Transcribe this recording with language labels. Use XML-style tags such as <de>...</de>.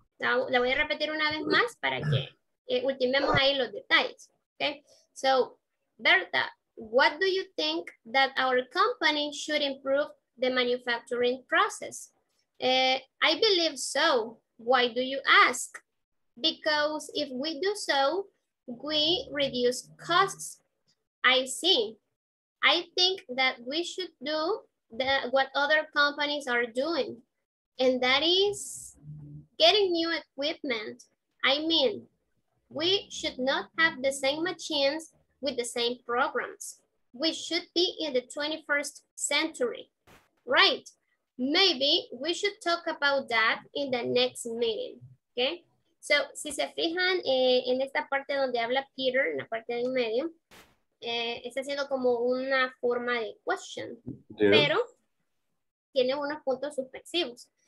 <es>La voy a repetir una vez más para que ultimemos ahí los detalles.</es> <en>Okay, so Berta, what do you think that our company should improve the manufacturing process? I believe so. Why do you ask? Because if we do so, we reduce costs. I see. I think that we should do what other companies are doing, and that is getting new equipment. I mean, we should not have the same machines with the same programs. We should be in the 21st century, right? Maybe we should talk about that in the next meeting, okay?</en> <es>So, si se fijan en esta parte donde habla Peter, en la parte del medio, está siendo como una forma de question, pero tiene unos puntos suspensivos.</es>